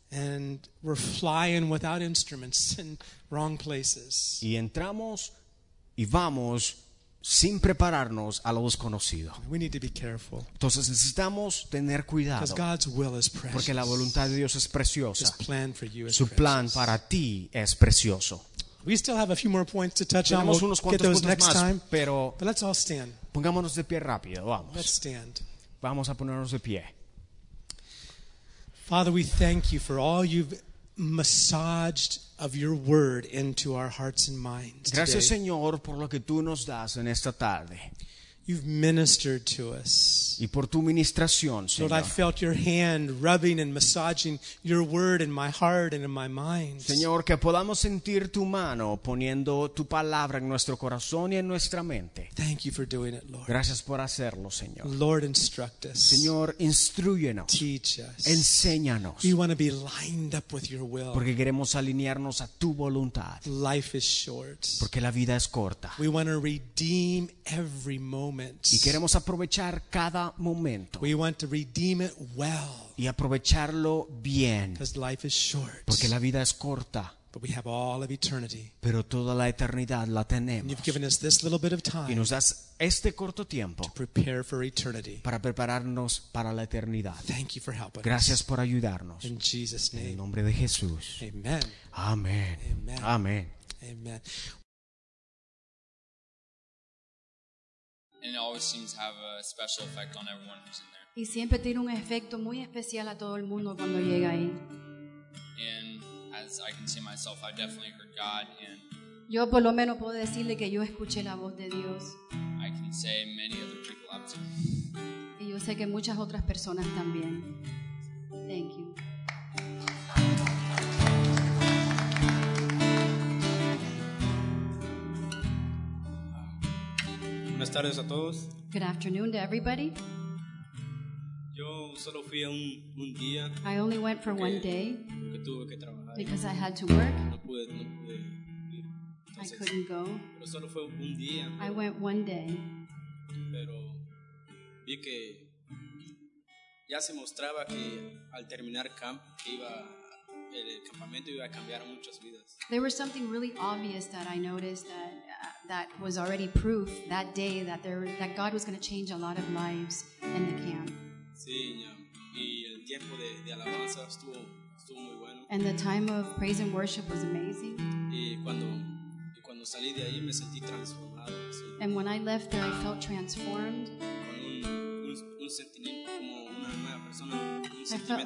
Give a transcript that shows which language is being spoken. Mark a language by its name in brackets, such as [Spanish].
[English] And we're flying without instruments in wrong places. [Spanish] Y entramos y vamos sin prepararnos a lo desconocido. [English] We need to be careful. [Spanish] Entonces necesitamos tener cuidado. [English] Because God's will is precious. [Spanish] Porque la voluntad de Dios es preciosa. [English] His plan for you is [Spanish] su plan [English] precious. [Spanish] Para ti es precioso. [English] We still have a few more points to touch [Spanish] tenemos [English] on. [Spanish] Unos [English] we'll get those next [Spanish] más, [English] time. [Spanish] Pero [English] but let's all stand. [Spanish] Pongámonos de pie rápido, vamos. [English] Let's stand. [Spanish] Vamos a ponernos de pie. [English] Father, we thank you for all you've massaged of your word into our hearts and minds. [Spanish] Gracias, [English] today. [Spanish] Señor, por lo que tú nos das en esta tarde. [English] You've ministered to us. [Spanish] Y por tu ministración, Señor. [English] Lord, I felt your hand rubbing and massaging your word in my heart and in my mind. [Spanish] Señor, que podamos sentir tu mano poniendo tu palabra en nuestro corazón y en nuestra mente. [English] Thank you for doing it, Lord. [Spanish] Gracias por hacerlo, Señor. [English] Lord, instruct us. [Spanish] Señor, instruyenos. [English] Teach us. [Spanish] Enséñanos. [English] We want to be lined up with your will. [Spanish] Porque queremos alinearnos a tu voluntad. [English] Life is short. [Spanish] Porque la vida es corta. [English] We want to redeem every moment. [Spanish] Y queremos aprovechar cada momento. [English] We want to redeem it well. [Spanish] Y aprovecharlo bien. [English] Because life is short. [Spanish] Porque la vida es corta. [English] But we have all of eternity. [Spanish] Pero toda la eternidad la tenemos. [English] And you've given us this little bit of time. [Spanish] Y nos das este corto tiempo. [English] To prepare for eternity. [Spanish] Para prepararnos para la eternidad. [English] Thank you for helping. [Spanish] Gracias [English] us. [Spanish] Por ayudarnos. [English] In Jesus' name. [Spanish] En el nombre de Jesús. Amen. Amen. Amen. Amen. Amen. [English] And it always seems to have a special effect on everyone who's in there. [Spanish] Y siempre tiene un efecto muy especial a todo el mundo cuando llega ahí. [English] And as I can see myself, I definitely heard God. And [Spanish] yo por lo menos puedo decirle que yo escuché la voz de Dios. [English] I can say many other people have too. [Spanish] Y yo sé que muchas otras personas también. [English] Thank you. [Spanish] Buenas tardes a todos. [English] Good afternoon to everybody. [Spanish] Yo solo fui un día. [English] I only went for one day. [Spanish] Porque tuve que trabajar. [English] Because I had to work. [Spanish] No pude. [English] I couldn't go. [Spanish] Pero solo fue un día. [English] I went one day. [Spanish] Pero vi que ya se mostraba que al terminar camp iba el campamento iba a cambiar muchas vidas. [English] There was something really obvious that I noticed that that was already proof that day that there that God was going to change a lot of lives in the camp. [Spanish] Sí, y el tiempo de alabanza estuvo muy bueno. [English] And the time of praise and worship was amazing. [Spanish] Y cuando salí de ahí me sentí transformado. Sí. [English] And when I left there I felt transformed. [Spanish] Con un sentimiento como una nueva persona, un sentimiento